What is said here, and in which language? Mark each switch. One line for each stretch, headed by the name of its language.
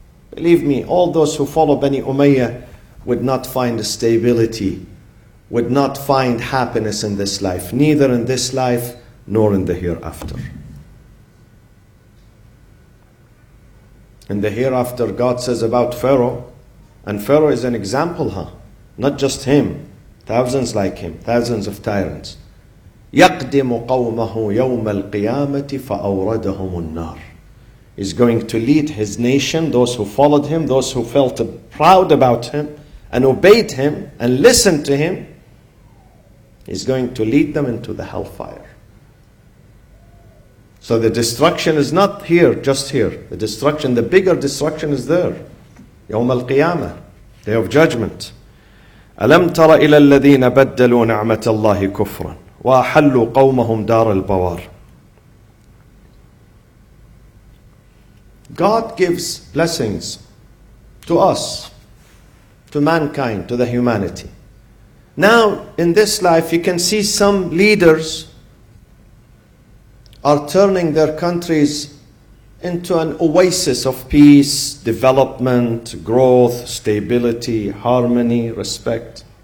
English: Believe me, all those who follow Bani Umayyah would not find stability, would not find happiness in this life, neither in this life nor in the hereafter. In the hereafter, God says about Pharaoh, and Pharaoh is an example, huh? Not just him, thousands like him, thousands of tyrants.
Arabic: يقدم قومه يوم القيامة فأوردهم النار.
English: He's going to lead his nation, those who followed him, those who felt proud about him and obeyed him and listened to him. He's going to lead them into the hellfire. So the destruction is not here, just here. The destruction, the bigger destruction is there.
Arabic: يوم القيامة,
English: day of judgment.
Arabic: ألم تر إلى الذين بدلوا نعمة الله كفرا وأحلوا قومهم دار البوار.
English: God gives blessings to us, to mankind, to the humanity. Now, in this life, you can see some leaders are turning their countries into an oasis of peace, development, growth, stability, harmony, respect.